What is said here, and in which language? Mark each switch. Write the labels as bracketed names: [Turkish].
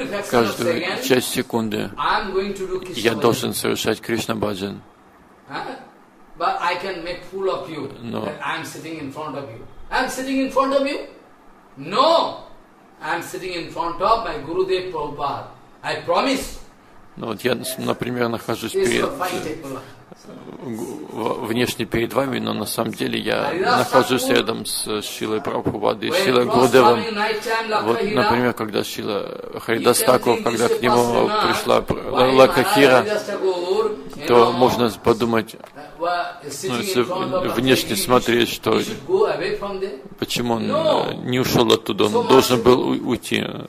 [Russian] Каждую часть секунды я должен совершать Кришна Бхаджан. [English] Но I'm sitting in front of my Gurudev Prabhupada. I promise. [Russian] Ну вот я, например, нахожусь перед внешне перед вами, но на самом деле я нахожусь рядом с Шилой Прабхупадой, Шилой Гурудевом. Вот, например, когда Шила Харидас Такур, когда к нему пришла Лакахира, то можно подумать, ну, если внешне смотреть, что почему он не ушел оттуда, он должен был уйти.